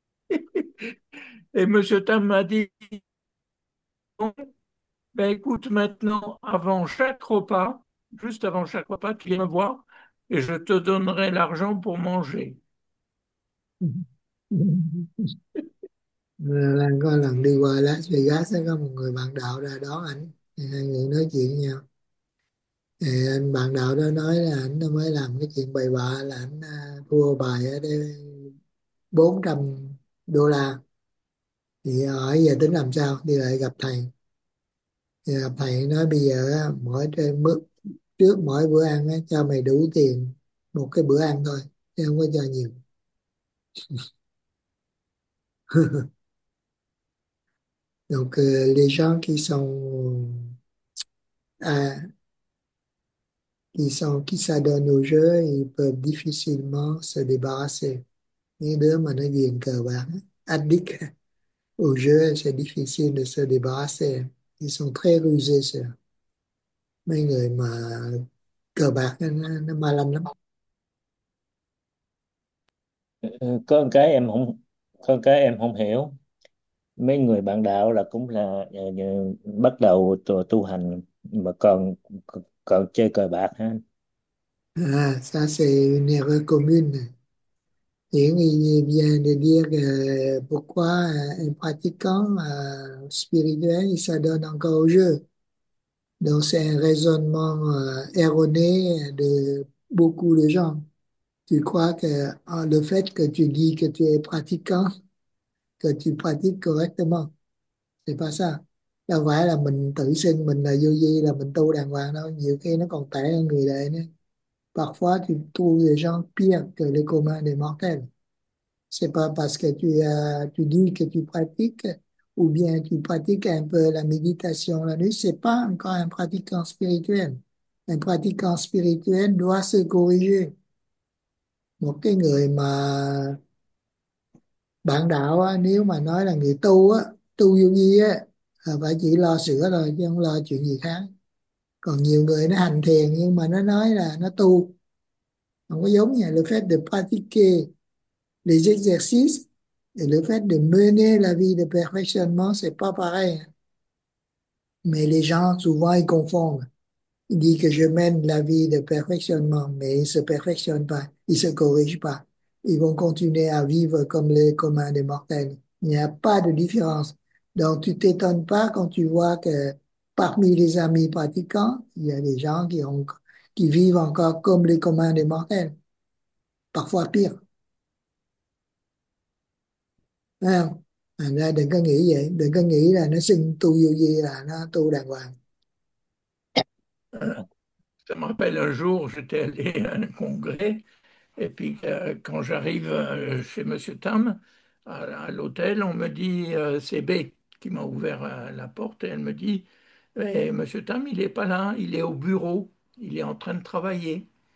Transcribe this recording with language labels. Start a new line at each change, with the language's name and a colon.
French: Et Monsieur Tam m'a dit, ben écoute, maintenant, avant chaque repas, juste avant chaque repas, tu viens me voir et je te donnerai l'argent pour manger.
Vietnamese: Lan có lần đi qua Las Vegas đó, có một người bạn đạo ra đón anh, hai người nói chuyện với nhau. Thì anh bạn đạo đó nói là anh đã mới làm cái chuyện bậy bạ là anh thua bài ở đây 400 đô la. Thì hỏi giờ tính làm sao, đi lại gặp thầy. Thì gặp thầy nói bây giờ mỗi trước mỗi bữa ăn cho mày đủ tiền một cái bữa ăn thôi, chứ không có cho nhiều.
French: Donc les gens qui s'adonnent au jeu, ils peuvent difficilement se débarrasser. Les deux
Vietnamese: mà nó ghiền cờ bạc,
French: addict au jeu, c'est difficile de se débarrasser. Ils sont très rusés, ça.
Vietnamese: Mấy người mà cờ bạc nó ma lanh lắm. Có cái em không hiểu, mấy người bạn đạo là cũng là bắt đầu tu hành mà còn chơi cờ bạc ha.
French: À, ça c'est une erreur commune. Il vient de dire pourquoi un pratiquant spirituel il s'adonne encore au jeu. Donc c'est un raisonnement erroné de beaucoup de gens. Tu crois que le fait que tu dis que tu es pratiquant, que tu pratiques correctement, c'est pas ça.
Vietnamese: Là phải là mình tự xưng mình là vô vi, là mình tu đàng hoàng đâu. Nhiều khi nó còn tệ hơn người đời nữa.
French: Parfois, tu trouves des gens pires que les communs des mortels. C'est pas parce que tu dis que tu pratiques ou bien tu pratiques un peu la méditation la nuit. C'est pas encore un pratiquant spirituel. Un pratiquant spirituel doit se corriger.
Vietnamese: Một cái người mà bạn đạo á, nếu mà nói là người tu á, tu yogi á, phải chỉ lo sữa thôi chứ không lo chuyện gì khác. Còn nhiều người nó hành thiền nhưng mà nó nói là nó tu. Không có giống như là
French: le fait de pratiquer les exercices et le fait de mener la vie de perfectionnement, c'est pas pareil. Mais les gens, souvent, ils confondent. Ils disent que je mène la vie de perfectionnement, mais ils ne se perfectionnent pas. Ils se corrigent pas. Ils vont continuer à vivre comme les communs des mortels. Il n'y a pas de différence. Donc, tu t'étonnes pas quand tu vois que parmi les amis pratiquants, il y a des gens qui vivent encore comme les communs des mortels, parfois pire.
Vietnamese: Thấy không? Thành ra đừng có nghĩ vậy, đừng có nghĩ là nó xưng tu vô vi là nó tu đàng hoàng.
French: Ça me rappelle un jour, j'étais allé à un congrès, et puis quand j'arrive chez Monsieur Tam à l'hôtel, on me dit c'est B qui m'a ouvert la porte, et elle me dit mais Monsieur Tam, il n'est pas là, il est au bureau, il est en train de travailler.